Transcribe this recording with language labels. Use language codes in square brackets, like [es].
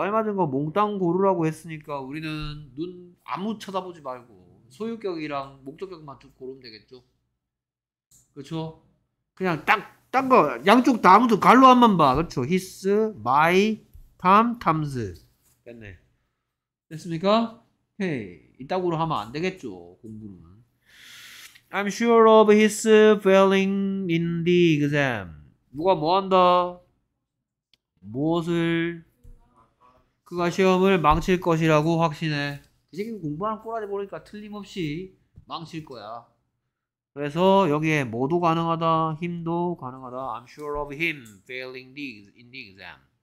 [ko] 알맞은 거 몽땅 고르라고 했으니까 우리는 눈 아무 쳐다보지 말고, 소유격이랑 목적격만 쭉 고르면 되겠죠? 그렇죠? 그냥 딱 거, 양쪽 다 아무튼 갈로 한번 봐. 그렇죠? His, my, Tom, Tom's. 됐네. 됐습니까? 오케이. 이따구로 하면 안 되겠죠? 공부는. [en] I'm sure of his failing in the exam. [ko] 누가 뭐 한다? 무엇을? 그가 시험을 망칠 것이라고 확신해. 이 새끼 공부하는 꼬라지 모르니까 틀림없이 망칠 거야. 그래서 여기에 뭐도 가능하다, 힘도 가능하다. [en] I'm sure of him failing in the exam.